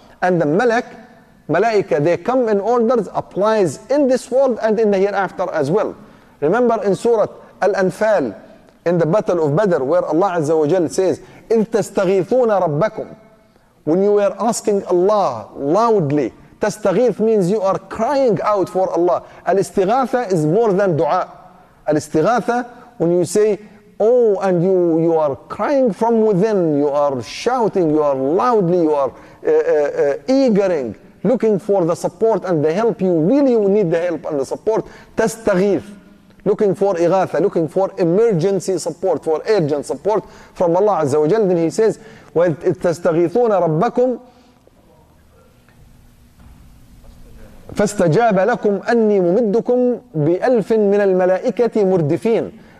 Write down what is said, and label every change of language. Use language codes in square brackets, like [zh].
[en] And the ملك, ملائكة, they come in orders, applies in this world and in the hereafter as well. Remember in Surah Al-Anfal, in the battle of Badr, where Allah Azza wa Jal says, [ar] إِذْ تَسْتَغِيثُونَ رَبَّكُمْ, [en] when you were asking Allah loudly. تَسْتَغِيث means you are crying out for Allah. الاستغاثة is more than دعاء. الاستغاثة, when you say, oh, and you are crying from within, you are shouting, you are loudly, you are eagering, looking for the support and the help, you really need the help and the support. تَسْتَغِيث, looking for إغاثة, looking for emergency support, for urgent support from Allah Azza wa Jal. Then he says, [ar] تَسْتَغِيثُونَ رَبَّكُمْ فَاسْتَجَابَ لَكُمْ أَنِّي مُمِدُّكُمْ بِأَلْفٍ مِنَ الْمَلَائِكَةِ مُرْدِفِينَ.